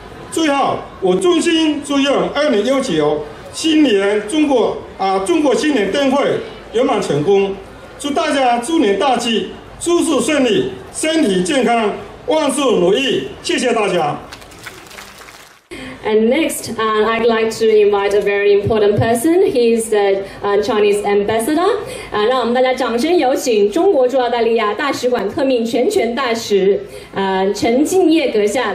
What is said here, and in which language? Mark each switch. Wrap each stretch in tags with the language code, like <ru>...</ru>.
<zh>最后，我衷心祝愿2019新年中国新年灯会圆满成功，祝大家猪年大吉，诸事顺利，身体健康，万事如意，谢谢大家。</zh> <en>And next, I'd like to invite a very important person. He's the Chinese ambassador.</en> <zh>让我们大家掌声有请中国驻澳大利亚大使馆特命全权大使陈敬业阁下。</zh>